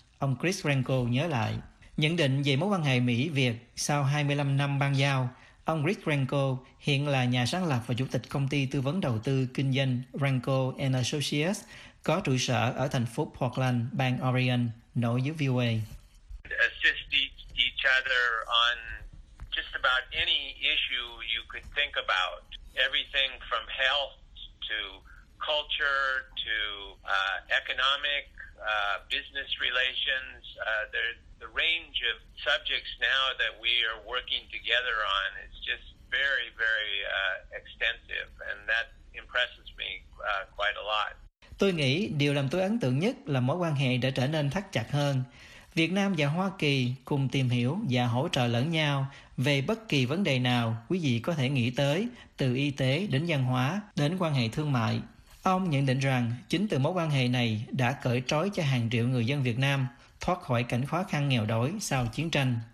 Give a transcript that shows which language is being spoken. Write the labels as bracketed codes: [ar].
[vi] Ông Chris Renko nhớ lại. Nhận định về mối quan hệ Mỹ-Việt sau 25 năm ban giao, ông Chris Renko hiện là nhà sáng lập và chủ tịch công ty tư vấn đầu tư kinh doanh Renko & Associates, có trụ sở ở thành phố Portland, bang Oregon, nói với VOA. [en] Assist each other on just about any issue you could think about. Everything from health to culture to economic, business relations. The range of subjects now that we are working together on is just very, very extensive, and that impresses me quite a lot. [vi] Tôi nghĩ điều làm tôi ấn tượng nhất là mối quan hệ đã trở nên thắt chặt hơn. Việt Nam và Hoa Kỳ cùng tìm hiểu và hỗ trợ lẫn nhau về bất kỳ vấn đề nào quý vị có thể nghĩ tới, từ y tế đến văn hóa, đến quan hệ thương mại. Ông nhận định rằng chính từ mối quan hệ này đã cởi trói cho hàng triệu người dân Việt Nam thoát khỏi cảnh khó khăn nghèo đói sau chiến tranh.